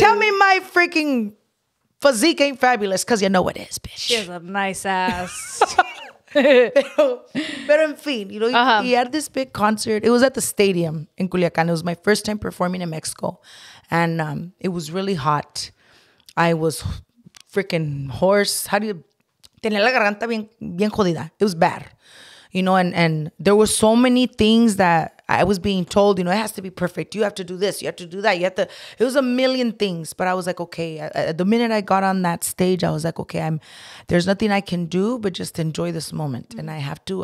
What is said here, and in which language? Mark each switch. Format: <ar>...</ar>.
<en>Tell me my freaking physique ain't fabulous, because you know what it is, bitch. She has a nice ass.</en> <es>Pero en fin,</es> <en>you know, uh-huh, he had this big concert. It was at the stadium in Culiacan. It was my first time performing in Mexico, and it was really hot. I was freaking hoarse. How do you...</en> <es>Tenía la garganta bien jodida.</es> <en>It was bad. You know, and there were so many things that I was being told, you know, it has to be perfect. You have to do this. You have to do that. You have to... It was a million things. But I was like, okay. The minute I got on that stage, I was like, okay, there's nothing I can do but just enjoy this moment. Mm-hmm. And I have to.</en>